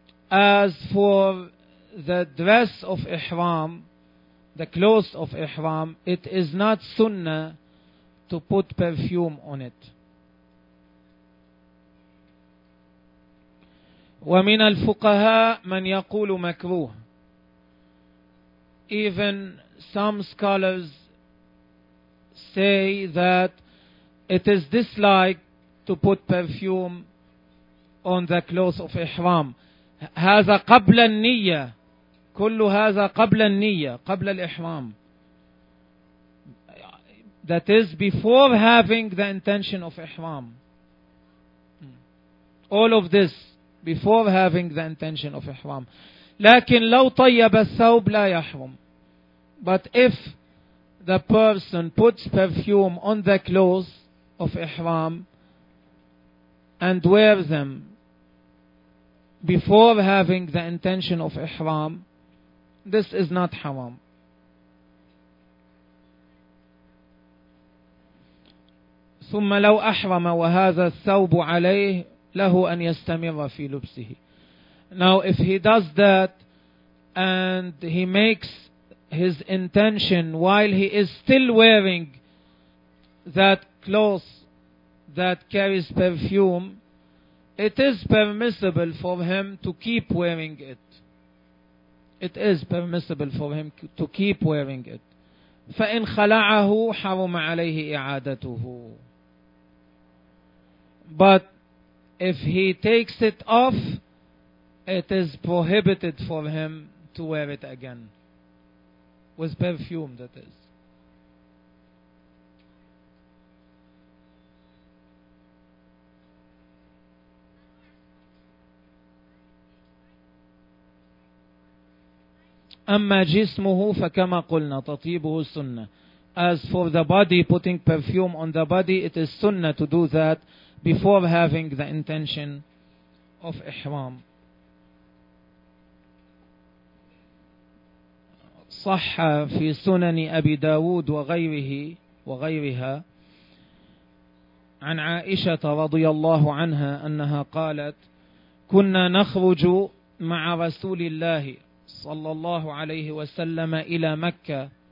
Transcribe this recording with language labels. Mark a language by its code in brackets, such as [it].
[en] As for the dress of Ihram, the clothes of Ihram, it is not sunnah to put perfume on it. [ar] ومن الفقهاء من يقول مكروه. [en] Even some scholars say that it is disliked to put perfume on the clothes of Ihram. [ar] هذا قبل النية. كل هذا قبل النية. قبل الإحرام. [en] That is before having the intention of Ihram. All of this before having the intention of Ihram. [ar] لكن لو طيب الثوب لا يحرم. [en] But if the person puts perfume on the clothes of Ihram and wear them before having the intention of Ihram, this is not haram. [ar] ثم لو أحرم وهذا الثوب عليه له أن يستمر في لبسه. [en] Now if he does that and he makes his intention while he is still wearing that clothes that carries perfume, it is permissible for him to keep wearing it. It is permissible for him to keep wearing it. [ar] فَإِنْ خَلَعَهُ حَرُمَ عَلَيْهِ إِعَادَتُهُ. [en] But if he takes it off, it is prohibited for him to wear it again. With perfume, that is. [ar] أما جسمه فكما قلنا تطيبه سنة. [en] As for the body, putting perfume on the body, it is sunnah to do that before having the intention of إحرام. [ar] صح في سنن أبي داود وغيره وغيرها عن عائشة رضي الله عنها أنها قالت كنا نخرج مع رسول الله صلى الله عليه وسلم إلى مكة